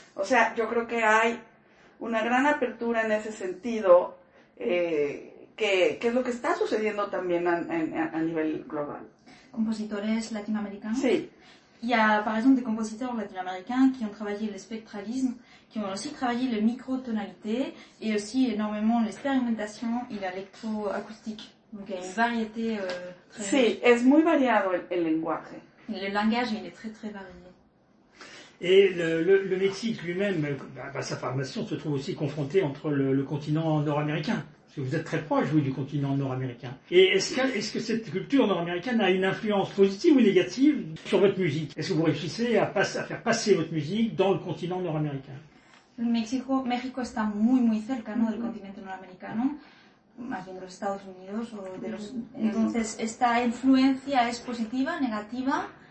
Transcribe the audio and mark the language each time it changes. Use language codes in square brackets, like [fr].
[es] O sea, yo creo que hay una gran apertura en ese sentido, que es lo que está sucediendo también a nivel global. ¿Compositores latinoamericanos? Sí. [fr] Il y a par exemple des compositeurs latino-américains qui ont travaillé le spectralisme, qui ont aussi travaillé les microtonalités et aussi énormément l'expérimentation et l'électroacoustique. Donc il y a une variété très. [es] Si, es muy variado el lenguaje. [fr] Le langage il est très très varié. Et le Mexique lui-même, sa formation se trouve aussi confrontée entre le continent nord-américain. parce que vous êtes très proche, vous, du continent nord-américain. Et est-ce que cette culture nord-américaine a une influence positive ou négative sur votre musique? Est-ce que vous réussissez à faire passer votre musique dans le continent nord-américain? [es] México está muy, muy cerca, ¿no?, del continente norteamericano, más bien de los Estados Unidos. O de los... Entonces, ¿esta influencia es positiva, negativa?